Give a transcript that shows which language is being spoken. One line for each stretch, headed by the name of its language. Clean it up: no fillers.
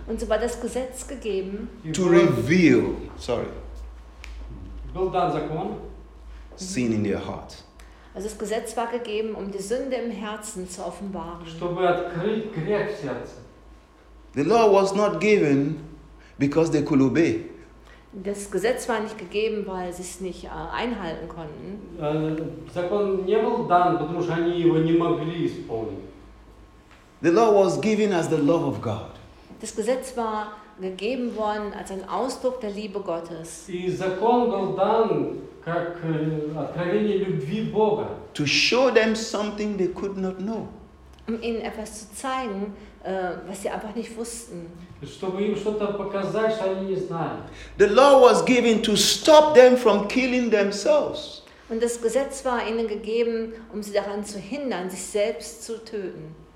German: Und so war das Gesetz gegeben.
English: To reveal, sorry. Will dann Zakon? Sin in their heart.
German: Also das Gesetz war gegeben, um die Sünde im Herzen zu offenbaren.
Russian: Чтобы открыть грех в сердце.
English: The law was not given because they could obey.
German: Das Gesetz war nicht gegeben, weil sie es nicht einhalten konnten.
Russian: Закон не был дан, потому что они его не могли исполнить.
English: The law was given as the love of God.
German: Das Gesetz war gegeben worden als ein Ausdruck der Liebe Gottes.
Russian: И закон был дан как откровение любви Бога.
English: To show them something they could not know.
German: Um ihnen etwas zu zeigen, was sie einfach nicht wussten.
Russian: Чтобы им что-то показать, что они не знали.
English: The law was given to stop them from killing themselves.
German: Und das Gesetz war ihnen gegeben, um sie daran zu hindern, sich selbst zu töten.